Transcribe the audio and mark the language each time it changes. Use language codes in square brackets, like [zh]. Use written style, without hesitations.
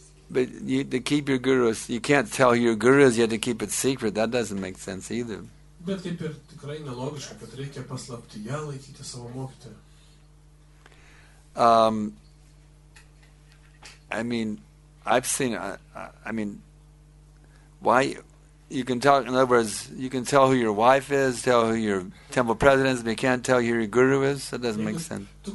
[en] But you, to keep your guru, you can't tell your guru, you have to keep it secret. That doesn't make sense either. [lt] Bet kaip ir tikrai nelogiška, kad reikia paslapti ją, laikyti savo mokytoją. [en] You can tell who your wife is, tell who your temple president is, but you can't tell who your guru is. That doesn't make sense.